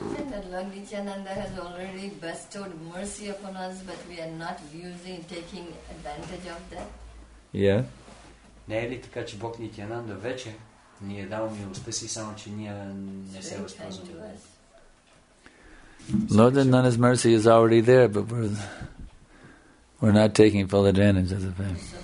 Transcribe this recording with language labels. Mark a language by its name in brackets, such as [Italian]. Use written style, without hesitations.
[English] That Lord Nityananda has already bestowed mercy upon us, but we are not using, taking advantage of that. Yeah. [Bulgarian] Не е ли така, че Бог Нитянанда вече ни е дал милостта си, само че ние не се възползваме? [English] Lord Nityananda's mercy is already there, but we're not taking full advantage of it.